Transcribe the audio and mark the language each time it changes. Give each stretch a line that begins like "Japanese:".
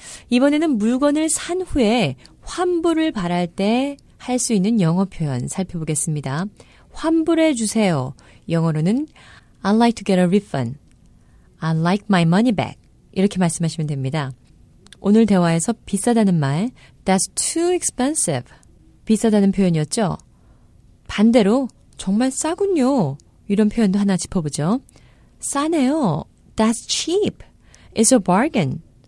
Korean: 이번에는 물건을 산 후에 환불을 바랄 때 할 수 있는 영어 표현 살펴보겠습니다. 환불해 주세요. 영어로는
English: I'd like to get a refund. I'd like my money back.
Korean: 이렇게 말씀하시면 됩니다. 오늘 대화에서 비싸다는 말
English: That's too expensive.
Korean: 비싸다는 표현이었죠? 반대로 정말 싸군요. 이런 표현도 하나 짚어보죠. 싸네요.
English: That's cheap. It's a bargain.